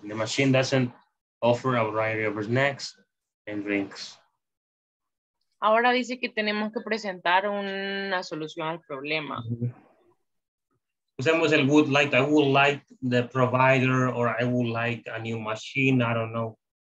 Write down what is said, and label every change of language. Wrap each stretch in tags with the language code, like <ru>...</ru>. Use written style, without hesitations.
<en>The machine doesn't offer a variety of snacks and drinks.</en> <es>Ahora dice que tenemos que presentar una solución al problema. Mm-hmm. Usamos el</es> <en>would like, I would like the provider, or I would like a new machine, I don't know.</en>